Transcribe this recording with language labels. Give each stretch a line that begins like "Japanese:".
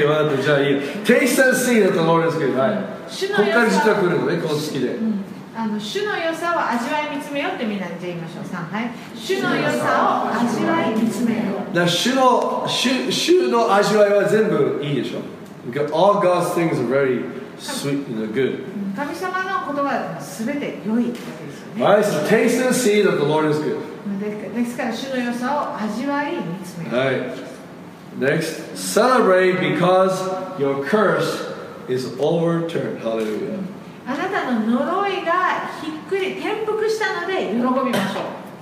English: Okay, well, just taste and see that the Lord is good.
Japanese: Right. 主の良さ。ここから実は来るのね、この好きで。あの主の良さを味わい見つめようってみんなで言いましょう。さん、はい。主の良さを味わい見つめよう。だ主の味わいは全部いいでしょ。
English: Because all God's things are very sweet and good.
Japanese: 神様の言葉は全て良いですよね。
English: Right, so taste and see that the Lord is good.
Japanese: ですから主の良さを味わい見つめる。
English: Right. Next, celebrate because your curse is overturned. Hallelujah.
Japanese: あなたの呪いがひっくり転覆したので喜びましょう。